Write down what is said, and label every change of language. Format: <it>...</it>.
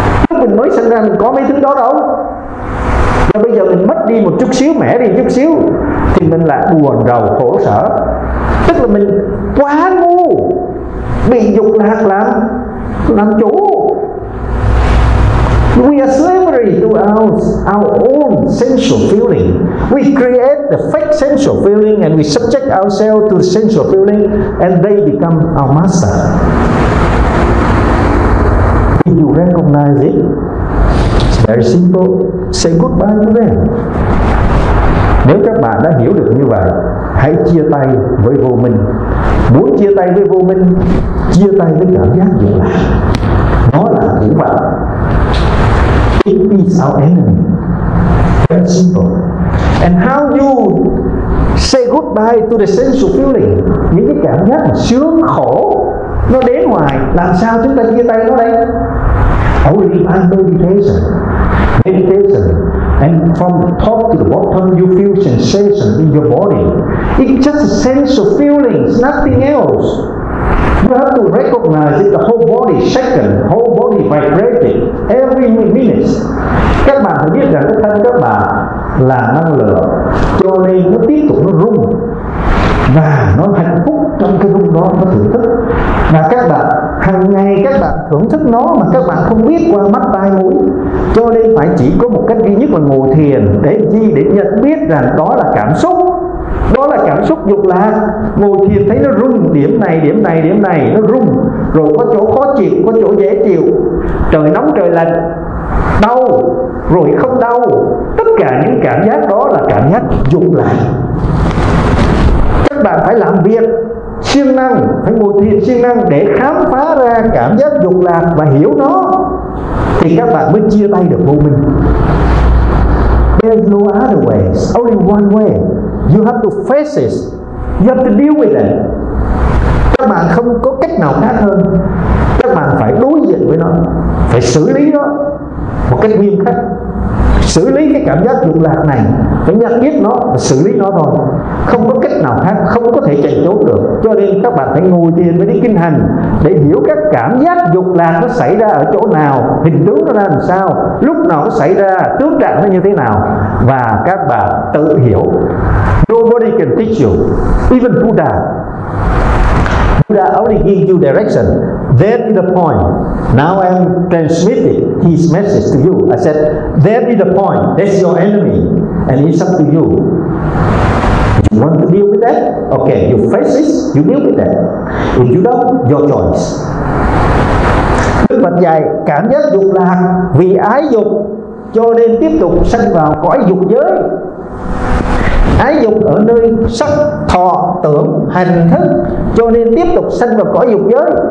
<vi>Lúc mình mới sinh ra mình có mấy thứ đó đâu. Và bây giờ mình mất đi một chút xíu, mẻ đi chút xíu thì mình lại buồn rầu khổ sở. Tức là mình quá ngu, bị dục lạc làm chủ.</vi> <en>We are slavery to our own sensual feeling. We create the fake sensual feeling and we subject ourselves to the sensual feeling and they become our master. If you recognize it, it's very simple. Say goodbye to them.</en> <vi>Nếu các bạn đã hiểu được như vậy, hãy chia tay với vô minh. Muốn chia tay với vô minh, chia tay với cảm giác dục lạc. Nó là thủ phạm.</vi> <en>It is our enemy. Very simple. And how you say goodbye to the sensual feeling,</en> <vi>những cái cảm giác sướng khổ nó đến ngoài, làm sao chúng ta chia tay nó đây?</vi> <en>Only by meditation. Meditation. And from the top to the bottom, you feel sensation in your body. It's just a sense of feelings, nothing else. You have to recognize it, the whole body shaking, whole body vibrating every minute.</en> <vi>Các bạn phải biết rằng cái thân các bạn là năng lượng, cho nên nó tiếp tục nó rung và nó hạnh phúc trong cái rung đó, nó thưởng thức. Và các bạn hằng ngày các bạn thưởng thức nó mà các bạn không biết qua mắt tai mũi, cho nên phải chỉ có một cách duy nhất là ngồi thiền để chi, để nhận biết rằng đó là cảm xúc, đó là cảm xúc dục lạc. Ngồi thiền thấy nó rung điểm này điểm này điểm này, nó rung rồi có chỗ khó chịu, có chỗ dễ chịu, trời nóng trời lạnh, đau rồi không đau, tất cả những cảm giác đó là cảm giác dục lạc. Các bạn phải làm việc siêng năng, phải ngồi thiền siêng năng để khám phá ra cảm giác dục lạc và hiểu nó, thì các bạn mới chia tay được vô minh.</vi> <en>There's no other way, only one way. You have to face it, you have to deal with it.</en> <vi>Các bạn không có cách nào khác hơn, các bạn phải đối diện với nó, phải xử lý nó một cách nghiêm khắc. Xử lý cái cảm giác dục lạc này, phải nhận biết nó và xử lý nó thôi, không có cách nào khác, không có thể chạy trốn được. Cho nên các bạn phải ngồi thiền với đi kinh hành để hiểu các cảm giác dục lạc nó xảy ra ở chỗ nào, hình tướng nó ra làm sao, lúc nào nó xảy ra, tướng trạng nó như thế nào, và các bạn tự hiểu.</vi> <en>Nobody can teach you, even Buddha. Buddha only give you direction. That is the point. Now I am transmitting his message to you. I said, that is the point. That's your enemy, and it's up to you. If you want to deal with that, okay, you face it, you deal with that. If you don't, your choice.</en> <vi>Đức Phật dạy cảm giác dục lạc vì ái dục cho nên tiếp tục sanh vào cõi dục giới. Ái dục ở nơi sắc, thọ, tưởng, hành, thức, cho nên tiếp tục sanh vào cõi dục giới.</vi>